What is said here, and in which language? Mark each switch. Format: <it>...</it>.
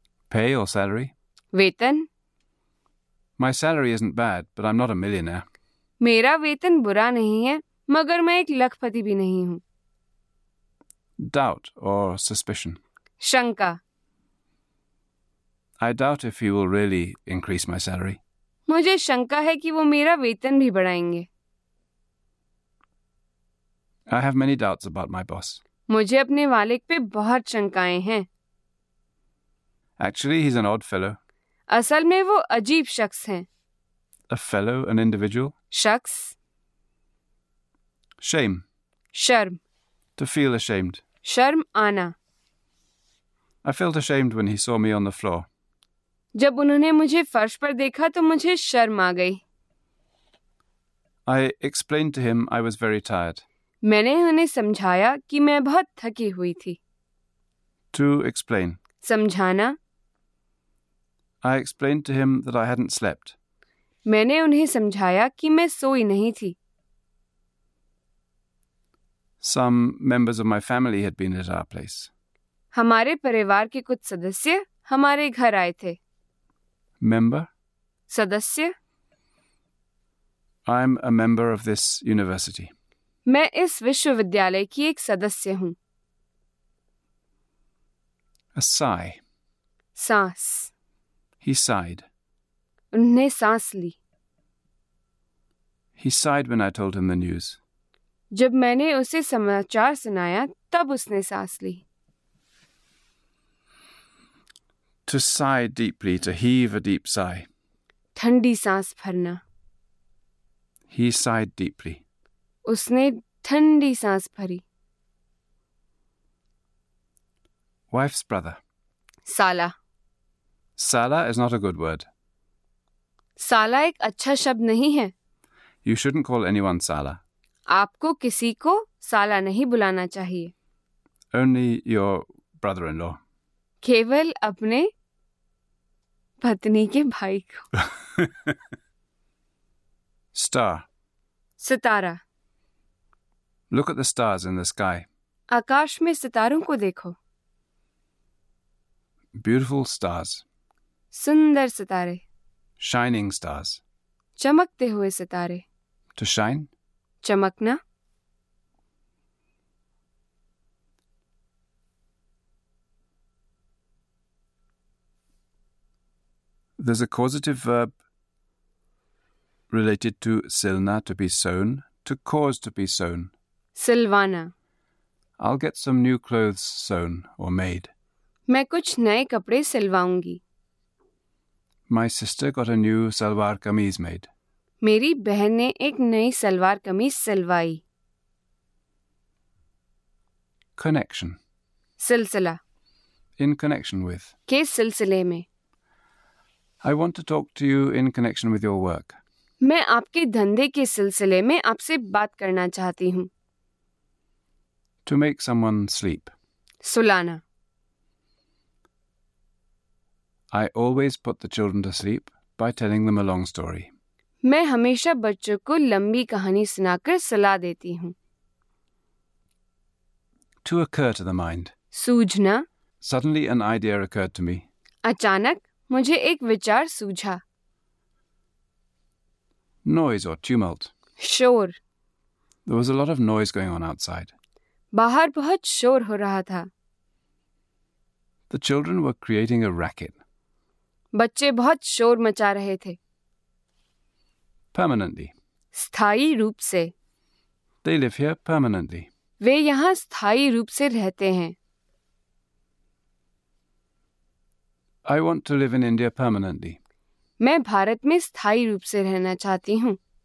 <en>Pay or salary?</en> <hi>वेतन.</hi> <en>My salary isn't bad, but I'm not a millionaire.</en> <hi>मेरा वेतन बुरा नहीं है, मगर मैं एक लखपति भी नहीं हूँ.</hi> <en>Doubt or suspicion?</en> <hi>शंका.</hi> <en>I doubt if he will really increase my salary.</en> <hi>मुझे शंका है कि वो मेरा वेतन भी बढ़ाएंगे.</hi> <en>I have many doubts about my boss.</en> <hi>मुझे अपने वालिक पे बहुत शंकाएं हैं.</hi> <en>Actually, he's an odd fellow.</en> <hi>असल में वो अजीब शख्स हैं.</hi> <en>A fellow, an individual.</en> <hi>शख्स.</hi> <en>Shame.</en> <hi>शर्म.</hi> <en>To feel ashamed.</en> <hi>शर्म आना.</hi> <en>I felt ashamed when he saw me on the floor.</en> <hi>जब उन्होंने मुझे फर्श पर देखा तो मुझे शर्म आ गई.</hi> <en>I explained to him I was very tired.</en> <hi>मैंने उन्हें समझाया कि मैं बहुत थकी हुई थी.</hi> <en>To explain.</en> <hi>समझाना.</hi> <en>I explained to him that I hadn't slept.</en> <hi>मैंने उन्हें समझाया कि मैं सोई नहीं थी.</hi> <en>Some members of my family had been at our place.</en> <hi>हमारे परिवार के कुछ सदस्य हमारे घर आए थे.</hi> <en>Member?</en> <hi>सदस्य.</hi> <en>I'm a member of this university.</en> <hi>मैं इस विश्वविद्यालय की एक सदस्य हूँ.</hi> <en>A sigh.</en> <hi>सांस.</hi> <en>He sighed.</en> <hi>उन्हें सांस ली.</hi> <en>He sighed when I told him the news.</en> <hi>जब मैंने उसे समाचार सुनाया तब उसने सांस ली.</hi> <en>To sigh deeply, to heave a deep sigh.</en> <hi>ठंडी सांस भरना.</hi> <en>He sighed deeply.</en> <hi>उसने ठंडी सांस भरी.</hi> <en>Wife's brother.</en> <hi>साला.</hi> <en>Sala is not a good word.</en> <hi>साला एक अच्छा शब्द नहीं है.</hi> <en>You shouldn't call anyone Sala.</en> <hi>आपको किसी को साला नहीं बुलाना चाहिए.</hi> <en>Only your brother-in-law.</en> <hi>केवल अपने पत्नी के भाई को.</hi> <en>Star.</en> <hi>Sitara.</hi> <en>Look at the stars in the sky.</en> <hi>आकाश में सितारों को देखो.</hi> <en>Beautiful stars.</en> <hi>सुंदर सितारे.</hi> <en>Shining stars.</en> <hi>चमकते हुए सितारे.</hi> <en>To shine.</en> <hi>चमकना.</hi> <en>There's a causative verb related to silna, to be sown, to cause to be sown.</en> <hi>सिलवाना.</hi> <en>I'll get some new clothes sewn or made.</en> <hi>मैं कुछ नए कपड़े सिलवाऊंगी.</hi> <en>My sister got a new salwar kameez made.</en> <hi>मेरी बहन ने एक नई सलवार कमीज सिलवाई.</hi> <en>Connection.</en> <hi>सिलसिला.</hi> <en>In connection with.</en> <hi>के सिलसिले में.</hi> <en>I want to talk to you in connection with your work.</en> <hi>मैं आपके धंधे के सिलसिले में आपसे बात करना चाहती हूँ.</hi> <en>To make someone sleep.</en> <hi>सुलाना.</hi> <en>I always put the children to sleep by telling them a long story.</en> <hi>मैं हमेशा बच्चों को लंबी कहानी सुनाकर सुला देती हूँ.</hi> <en>To occur to the mind.</en> <hi>सूझना.</hi> <en>Suddenly an idea occurred to me.</en> <hi>अचानक मुझे एक विचार सूझा.</hi> <en>Noise or tumult.</en> <hi>शोर.</hi> <en>There was a lot of noise going on outside.</en> <hi>बाहर बहुत शोर हो रहा था.</hi> <en>The children were creating a racket.</en> <hi>बच्चे बहुत शोर मचा रहे थे.</hi> <en>Permanently.</en> <hi>स्थायी रूप से.</hi> <en>They live here permanently.</en> <hi>वे यहाँ स्थायी रूप से रहते हैं.</hi> <en>I want to live in India permanently.</en> <hi>मैं भारत में स्थायी रूप से रहना चाहती हूँ.</hi>